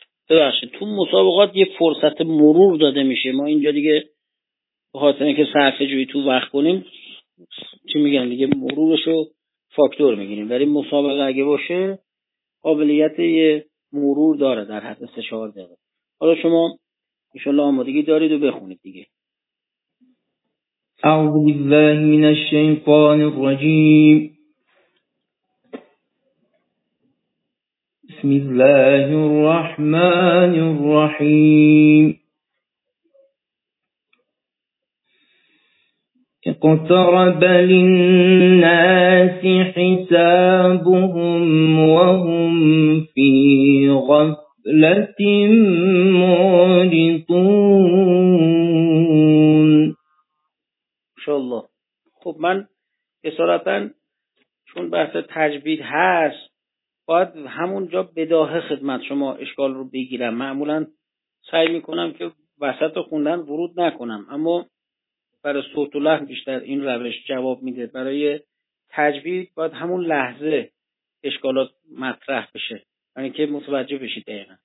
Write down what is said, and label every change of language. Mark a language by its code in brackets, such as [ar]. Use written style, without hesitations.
[fa] ببخشید تو مسابقات یه فرصت مرور داده میشه ما اینجا دیگه به خاطر اینکه صرفه جویی تو وقت کنیم چی میگن دیگه مرورش رو فاکتور میگیریم ولی مسابقه اگه باشه قابلیت یه مرور داره در حد 3-4 دقیقه حالا شما ایشالله آمادگی دارید و بخونید دیگه [ar] أعوذ بالله من الشيطان الرجيم بسم الله الرحمن الرحيم اقترب للناس حسابهم وهم في غفلة معرضون الله. [fa] خب من اصالتاً چون بحث تجوید هست باید همون جا بداهه خدمت شما اشکال رو بگیرم معمولاً سعی میکنم که وسط خوندن ورود نکنم اما برای صوت و لحن بیشتر این روش جواب میده برای تجوید باید همون لحظه اشکالات مطرح بشه یعنی که متوجه بشید دقیقا